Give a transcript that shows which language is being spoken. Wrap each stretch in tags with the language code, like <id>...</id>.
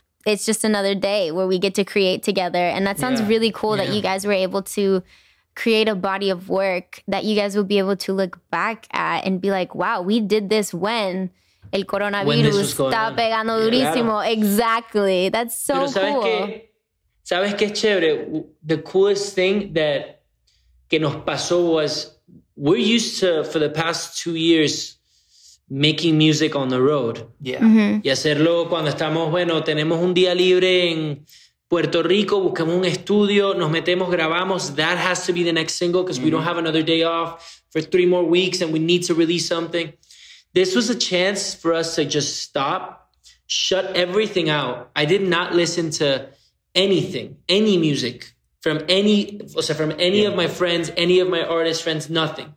<en>It's just another day where we get to create together. And that sounds really cool that you guys were able to create a body of work that you guys will be able to look back at and be like, wow, we did this when</en> <es>el coronavirus está pegando durísimo.</es> <en>Yeah, exactly. That's so cool.</en> <es>Sabes que chévere?</es> <en>The coolest thing that</en> <es>que nos pasó</es> <en>was we're used to, for the past 2 years, making music on the road. Yeah.</en> <es>Y hacerlo cuando estamos, bueno, tenemos un día libre en Puerto Rico, buscamos un estudio, nos metemos, grabamos.</es> <en>That has to be the next single because we don't have another day off for 3 more weeks and we need to release something. This was a chance for us to just stop, shut everything out. I did not listen to anything, any music from any of my friends, any of my artist friends, nothing.</en>